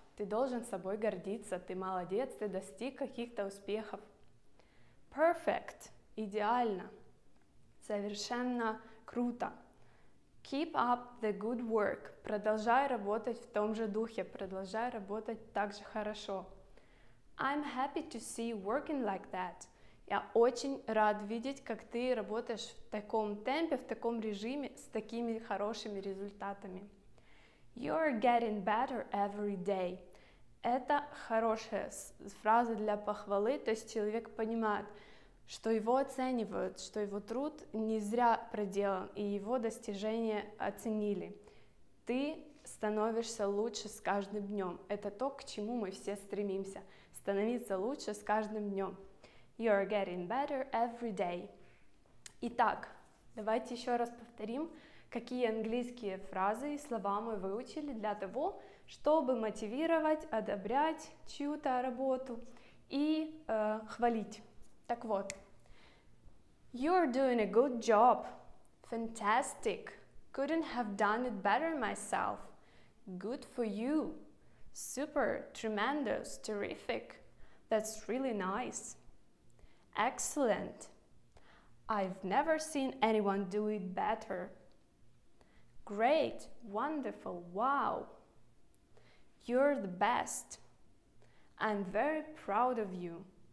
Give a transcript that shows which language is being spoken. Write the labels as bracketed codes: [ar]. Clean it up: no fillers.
[ru] Ты должен собой гордиться, ты молодец, ты достиг каких-то успехов. [en] Perfect. [ru] Идеально. Совершенно круто. [en] Keep up the good work. [ru] Продолжай работать в том же духе. Продолжай работать так же хорошо. [en] I'm happy to see you working like that. [ru] Я очень рад видеть, как ты работаешь в таком темпе, в таком режиме, с такими хорошими результатами. [en] You're getting better every day. [ru] Это хорошая фраза для похвалы, то есть человек понимает, что его оценивают, что его труд не зря проделан, и его достижения оценили. Ты становишься лучше с каждым днем. Это то, к чему мы все стремимся. Становиться лучше с каждым днем. [en] You're getting better every day. [ru] Итак, давайте еще раз повторим, какие английские фразы и слова мы выучили для того, чтобы мотивировать, одобрять чью-то работу и хвалить. Так вот, [en] you're doing a good job, fantastic, couldn't have done it better myself, good for you, super, tremendous, terrific, that's really nice, excellent, I've never seen anyone do it better, great, wonderful, wow, you're the best, I'm very proud of you.